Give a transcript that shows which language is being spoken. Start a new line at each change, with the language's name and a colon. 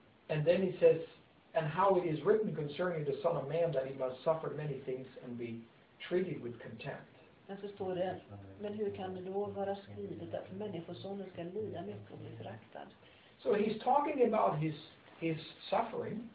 English: And then he says, and how it is written concerning the Son of Man that he must suffer many things and be treated with contempt.
Swedish: Men så står det, men hur kan det då vara skrivet att människosonen ska lida mycket och bli föraktad?
English: So he's talking about his suffering.